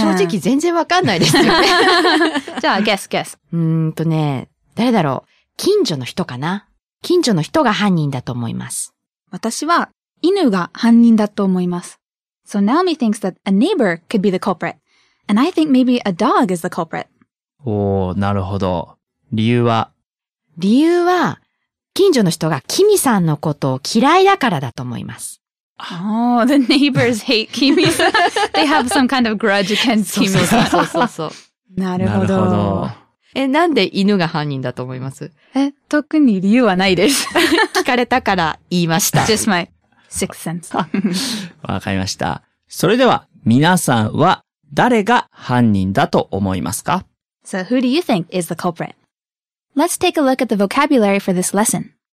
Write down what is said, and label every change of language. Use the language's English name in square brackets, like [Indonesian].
[Japanese] 正直全然わかんないですよね。じゃあ、guess. ね、誰だろう。近所の人かな。近所の人が犯人だと思います。私は犬が犯人だと思います。 [English] So Naomi thinks that a neighbor could be the culprit. And I think maybe a dog is the culprit. [Japanese] おー、なるほど。理由は？理由は、近所の人がキミさんのことを嫌いだからだと思います。 [English] Oh, the neighbors hate Kimi. They have some kind of grudge against Kimi. [Japanese] そう。なるほど。え、なんで犬が犯人だと思います？え、特に理由はないです。聞かれたから言いました。 [English] Just my sixth sense. [Japanese] わかりました。それでは、皆さんは誰が犯人だと思いますか？ [English] So who do you think is the culprit? Let's take a look at the vocabulary for this lesson.